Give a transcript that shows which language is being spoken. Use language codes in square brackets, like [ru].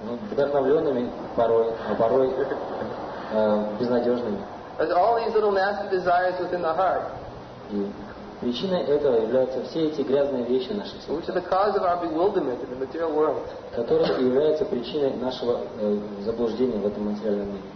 [ru] Вдохновленными порой, а порой безнадежными. [en] But all these little nasty desires within the heart. [ru] И причиной этого являются все эти грязные вещи наши. [en] Which are the cause of our bewilderment in the material world. [ru] Которые являются причиной нашего заблуждения в этом материальном мире.